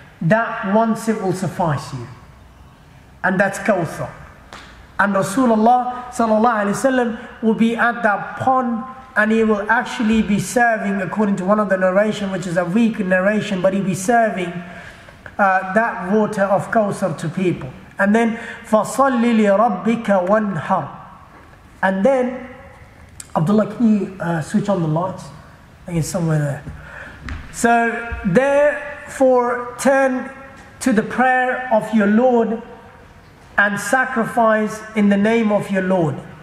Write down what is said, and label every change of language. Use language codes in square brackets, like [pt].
[en] That one sip will suffice you. And that's kawthar. And Rasulullah sallallahu alayhi wa sallam will be at that pond, and he will actually be serving, according to one of the narration, which is a weak narration, but he'll be serving that water of Kawthar to people. And then, [ar] فَصَلِّ لِرَبِّكَ وَانْحَرْ. [en] And then, Abdullah, can you switch on the lights? I think it's somewhere there. So, therefore, turn to the prayer of your Lord and sacrifice in the name of your Lord.